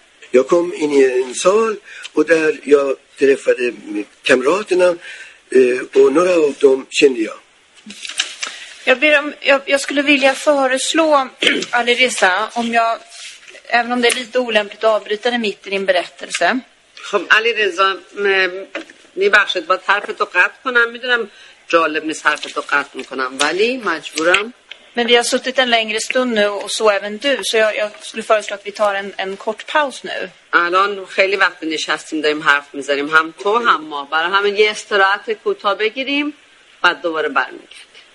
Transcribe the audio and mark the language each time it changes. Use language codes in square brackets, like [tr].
[sv] Jag kom in i en sal och där jag träffade kamraterna och några av dem kände jag. Jag skulle vilja föreslå Alireza, om jag, även om det är lite olämpligt att avbryta det mitt i din berättelse. [fa] خب علی رضا میبخشید با طرفتو قطع کنم میدونم جالب نیست حرفتو قطع میکنم ولی مجبورم من [sv] vi har suttit en längre stund nu och så även du så jag skulle föreslå att vi tar en kort paus nu. [fa] الان خیلی وقت نشستیم داریم حرف میزنیم هم تو هم ما برای همین یه استراحت کوتاه بگیریم بعد دوباره برمیگردیم.